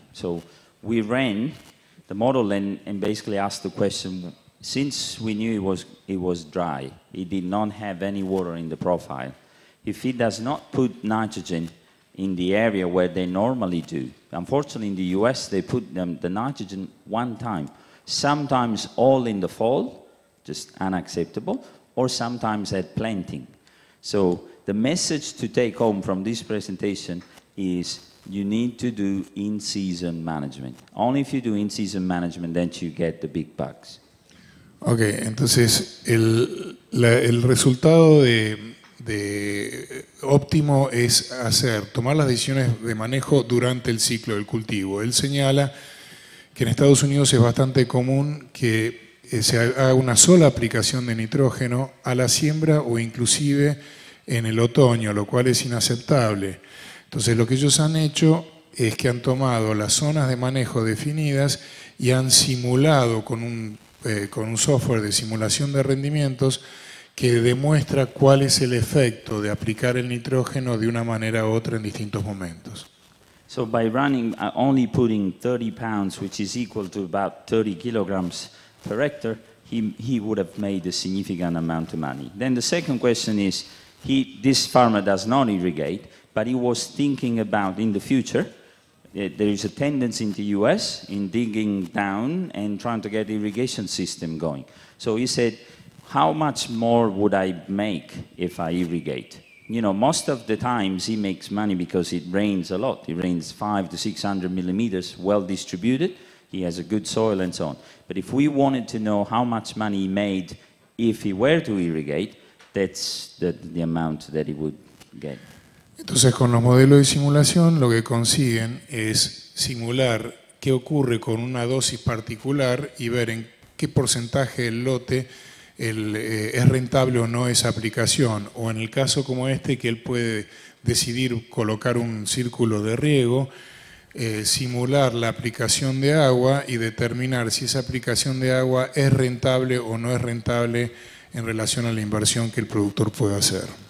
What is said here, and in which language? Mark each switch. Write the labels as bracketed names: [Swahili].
[English] So we ran the model and basically asked the question, since we knew it was dry, it did not have any water in the profile, if it does not put nitrogen in the area where they normally do, unfortunately in the US they put the nitrogen one time, sometimes all in the fall, just unacceptable, or sometimes at planting. So the message to take home from this presentation is you need to do in-season management. Only if you do in-season management, then you get the big bucks. [Spanish] Okay, entonces el resultado de óptimo es tomar las decisiones de manejo durante el ciclo del cultivo. Él señala que en Estados Unidos es bastante común que se haga una sola aplicación de nitrógeno a la siembra o inclusive en el otoño, lo cual es inaceptable. Entonces, lo que ellos han hecho es que han tomado las zonas de manejo definidas y han simulado con un software de simulación de rendimientos que demuestra cuál es el efecto de aplicar el nitrógeno de una manera u otra en distintos momentos. [English] So by running, only putting 30 pounds, which is equal to about 30 kilograms per hectare, he would have made a significant amount of money. Then the second question is, this farmer does not irrigate, but he was thinking about in the future, there is a tendency in the US in digging down and trying to get the irrigation system going. So he said, how much more would I make if I irrigate? You know, most of the times he makes money because it rains a lot. It rains 500 to 600 millimeters, well distributed. He has a good soil and so on. But if we wanted to know how much money he made if he were to irrigate, that's the amount that he would get. [Spanish] Entonces, con los modelos de simulación, lo que consiguen es simular qué ocurre con una dosis particular y ver en qué porcentaje del lote es rentable o no esa aplicación. O en el caso como este, que él puede decidir colocar un círculo de riego, simular la aplicación de agua y determinar si esa aplicación de agua es rentable o no es rentable en relación a la inversión que el productor puede hacer.